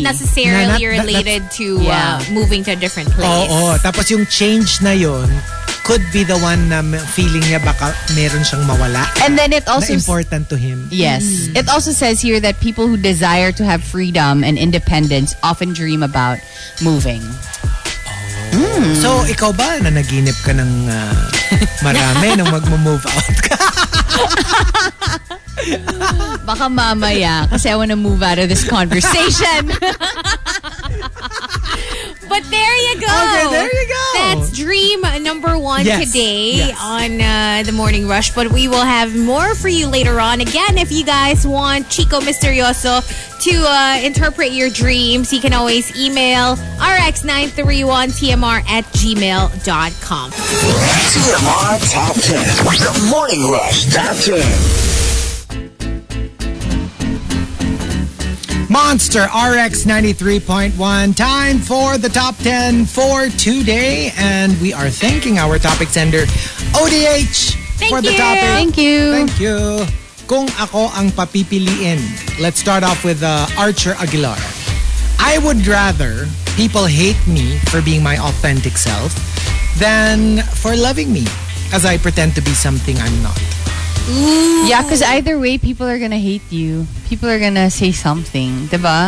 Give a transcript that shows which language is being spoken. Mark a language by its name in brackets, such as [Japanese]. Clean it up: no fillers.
[English] Necessarily na, related to moving to a different place. [Filipino] Oo. Tapos yung change na yon [English] could be the one [Filipino] na feeling niya baka meron siyang mawala. [English] And then it also... Na important to him. Yes. Mm. It also says here that people who desire to have freedom and independence often dream about moving. Oh. Mm. [Filipino] So, ikaw ba na naginip ka ng marami nung mag-move out ka? Baka mamaya kasi [English] I wanna move out of this conversation. But there you go. Okay, there you go. That's dream number one today on The Morning Rush. But we will have more for you later on. Again, if you guys want Chico Misterioso to interpret your dreams, you can always email rx931tmr@gmail.com. TMR Top 10. The Morning Rush Top 10. Monster RX 93.1. Time for the top 10 for today. And we are thanking our topic sender, ODH, for the topic. Thank you. Thank you. [Filipino] Kung ako ang papipiliin. [English] Let's start off with Archer Aguilar. I would rather people hate me for being my authentic self than for loving me as I pretend to be something I'm not. Ooh. Yeah, because either way, people are gonna hate you. People are gonna say something, diba?